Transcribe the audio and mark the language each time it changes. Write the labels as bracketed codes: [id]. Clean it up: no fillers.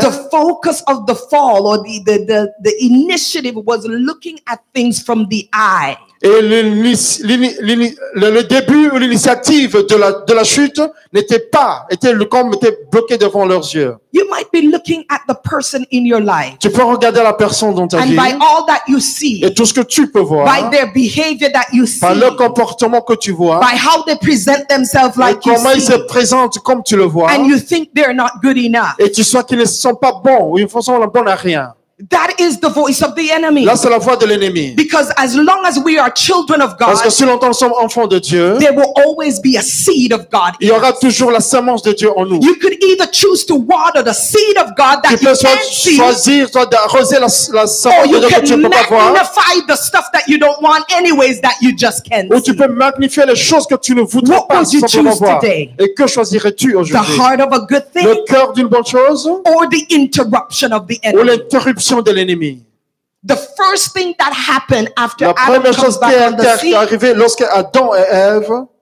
[en] The focus of the fall or the initiative was looking at things from the eye. [fr] Et le début ou l'initiative de la chute était bloqué devant leurs yeux. [en] You might be looking at the person in your life. [fr] Tu peux regarder la personne dans ta [en] and [fr] vie. [en] And by all that you see. [fr] Et tout ce que tu peux voir. [en] By their behavior that you see. [fr] Par le comportement que tu vois. [en] By how they present themselves like you see. [fr] Comment ils se présentent comme tu le vois. [en] And you think they're not good enough. [fr] Et tu sens qu'ils ne sont pas bons ou ils ne sont pas bons à rien. [en] That is the voice of the enemy. [fr] Là, c'est la voix de l'ennemi. [en] Because as long as we are children of God, [fr] parce que si longtemps nous sommes enfants de Dieu, [en] there will always be a seed of God. [fr] Il y aura toujours la semence de Dieu en nous. [en] You could either choose to water the seed of God that you can't see. [fr] Tu peux choisir d'arroser la semence de Dieu que tu ne peux pas voir. [en] Or you can magnify the stuff that you don't want anyways that you just can't see. [fr] Ou tu peux magnifier les choses que tu ne voudrais pas sans pouvoir voir. [en] What would you choose today? [fr] Et que choisirais-tu aujourd'hui? [en] The heart of a good thing. [fr] Le cœur d'une bonne chose. [en] Or the interruption of the enemy. [fr] Ou l'interruption de l'ennemi. [en] The first thing that happened after [fr] La première [en] Adam [fr] chose qui est arrivée lorsque Adam et Ève